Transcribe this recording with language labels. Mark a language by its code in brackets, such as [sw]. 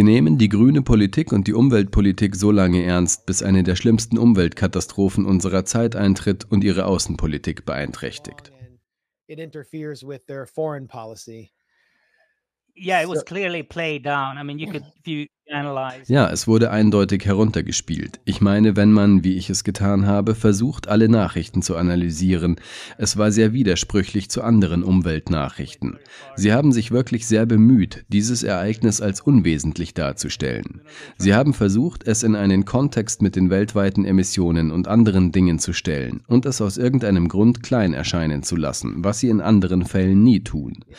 [de] Sie nehmen die grüne Politik und die Umweltpolitik so lange ernst, bis eine der schlimmsten Umweltkatastrophen unserer Zeit eintritt und ihre Außenpolitik beeinträchtigt. [en] It interferes with their foreign policy. Yeah, it was clearly played down. I mean, you could if you analyze. [de] Ja, es wurde eindeutig heruntergespielt. Ich meine, wenn man, wie ich es getan habe, versucht, alle Nachrichten zu analysieren, es war sehr widersprüchlich zu anderen Umweltnachrichten. Sie haben sich wirklich sehr bemüht, dieses Ereignis als unwesentlich darzustellen. Sie haben versucht, es in einen Kontext mit den weltweiten Emissionen und anderen Dingen zu stellen und es aus irgendeinem Grund klein erscheinen zu lassen, was sie in anderen Fällen nie tun.